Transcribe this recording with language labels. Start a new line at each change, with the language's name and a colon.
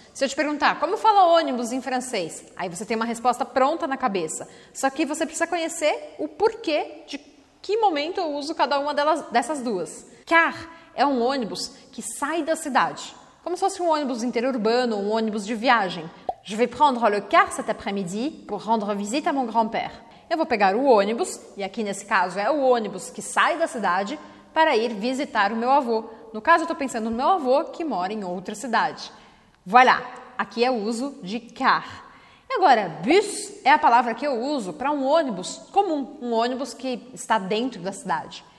Portuguese: Se eu te perguntar como fala ônibus em francês, aí você tem uma resposta pronta na cabeça. Só que você precisa conhecer o porquê de que momento eu uso cada uma delas, dessas duas? Car é um ônibus que sai da cidade, como se fosse um ônibus interurbano, um ônibus de viagem.
French: Je vais prendre le car cet après-midi pour rendre visite à mon grand-père.
Portuguese: Eu vou pegar o ônibus, e aqui nesse caso é o ônibus que sai da cidade, para ir visitar o meu avô. No caso, eu estou pensando no meu avô que mora em outra cidade. Voilà, aqui é o uso de car. Agora, bus é a palavra que eu uso para um ônibus comum, um ônibus que está dentro da cidade.